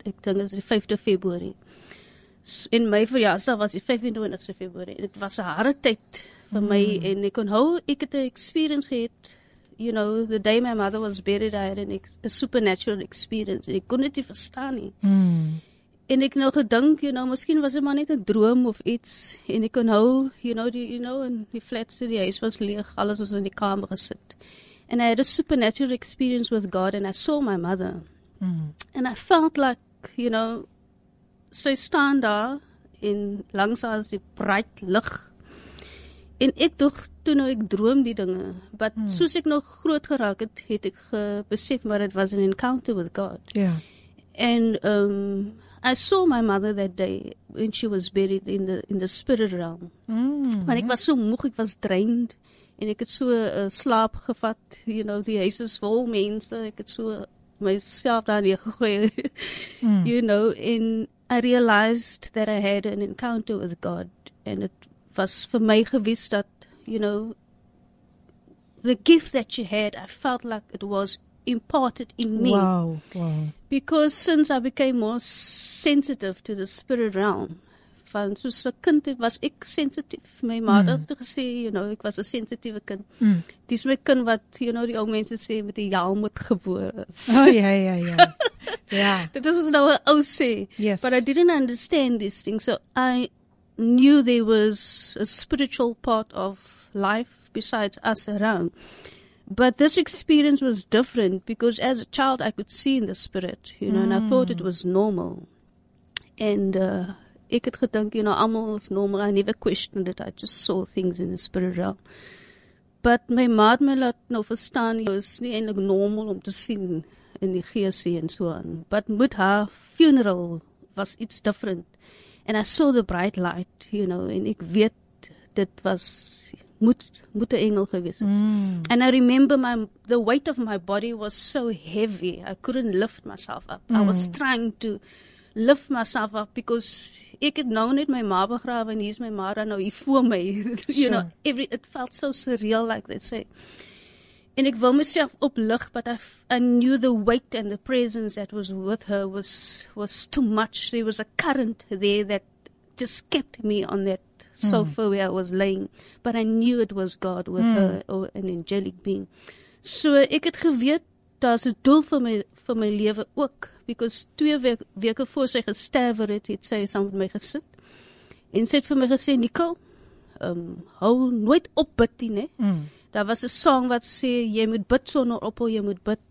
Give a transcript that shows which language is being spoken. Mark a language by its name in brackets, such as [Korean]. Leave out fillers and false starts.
[Afrikaans] Ek dink dit is die 5de Februarie. En my verjaarsdag was die 25ste Februarie. Dit was 'n harde tyd vir my en ek onthou ek het 'n experience gehad. [English] You know, the day my mother was buried, I had a supernatural experience. [Afrikaans] En ek kon dit nie verstaan nie. En ek nou gedink, you know, miskien was dit maar net 'n droom of iets. En ek onthou, you know, en die flat sit, die huis was leeg, alles was in die kamer gesit. [English] And I had a supernatural experience with God and I saw my mother. And I felt like, [Afrikaans] you know, sy staan daar en langs haar is die bruid lig. En ek dog toe nou ek droom die dinge. But soos ek nou groot geraak het, het ek besef maar dit was [English] an encounter with God. En I saw my mother that day when she was buried in the spirit realm. [Afrikaans] Maar ek was so moeg, ek was drained. En ek het so slaap gevat, you know, die huis is vol mense. Ek het so myself daar neergegooi, you know. [English] En I realized that I had an encounter with God. [Afrikaans] En het was vir my gewis dat, [English] you know, the gift that you had, I felt like it was imparted in me. Wow, wow. Because since I became more sensitive to the spirit realm, [Afrikaans] van soos 'n kind was ek sensitief. My mother het gesê, you know, ek was 'n sensitiewe kind. Dis my kind wat, you know, die ou mense sê met die jaal moet gebore is. Oh, ja. Dit was nou 'n ou sê. [English] Yes. But I didn't understand this thing. So I knew there was a spiritual part of life besides us around. But this experience was different because as a child I could see in the spirit, you know, and I thought it was normal. And [Afrikaans] ek het gedink, [English] you know, [Afrikaans] almal is normal, [English] I never questioned it, I just saw things in the spirit realm. [Afrikaans] But my maat my laat nou verstaan, jy is nie eintlik normal om te sien in die geesie en so aan. [English] But with her funeral was iets different. And I saw the bright light, [Afrikaans] you know, en ek weet, dit was, moet een engel gewees het. [English] And I remember the weight of my body was so heavy, I couldn't lift myself up. I was trying to lift myself up because [Afrikaans] ek het nou net my ma begrawe en hier is my ma dan nou hier voor my. [English] You know, it felt so surreal like they say. [Afrikaans] En ek wil myself oplig, [English] but I knew the weight and the presence that was with her was too much. There was a current there that just kept me on that sofa where I was laying. But I knew it was God with her, or an angelic being. [Afrikaans] So ek het geweet, daar's 'n doel vir my lewe ook. Because 2 weke voor sy gesterwe het sy saam met my gesit. En sy het vir my gesê, Nicole, hou nooit op bid nie. Daar was 'n song wat sê, jy moet bid sonder ophou, jy moet bid.